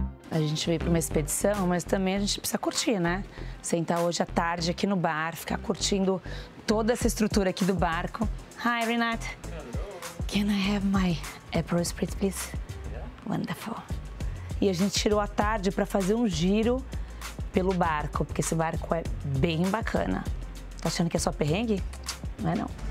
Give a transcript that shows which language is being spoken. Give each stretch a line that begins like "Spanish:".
Portuguese: A gente veio para uma expedição, mas também a gente precisa curtir, né? Sentar hoje à tarde aqui no bar, ficar curtindo toda essa estrutura aqui do barco.
English: Hi, Renat. Can I have my apple spritz, please? Yeah. Wonderful.
Portuguese: E a gente tirou a tarde para fazer um giro pelo barco, porque esse barco é bem bacana. Tá achando que é só perrengue? Não é, não.